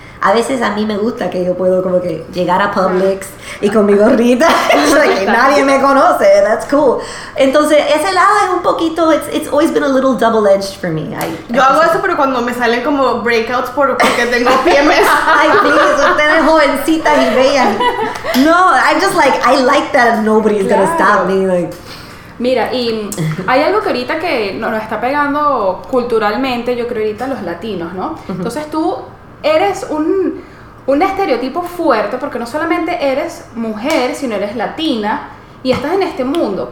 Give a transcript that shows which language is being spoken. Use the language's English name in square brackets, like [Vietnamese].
[Spanish] A veces a mí me gusta que yo puedo como que llegar a Publix y con mi gorrita, like, [English] nadie me conoce, that's cool. [Spanish] Entonces, ese lado es un poquito, [English] it's always been a little double-edged for me. [Spanish] Yo hago eso, pero cuando me salen como breakouts porque tengo PMS. [English] Ay, please, [Spanish] ustedes jovencitas y vean. [English] No, I'm just like, I like that nobody's [Spanish] claro. [English] gonna stop me, like. [Spanish] Mira, y hay algo que ahorita que nos está pegando culturalmente, yo creo ahorita los latinos, ¿no? Uh-huh. Entonces tú... eres un estereotipo fuerte, porque no solamente eres mujer, sino eres latina y estás en este mundo.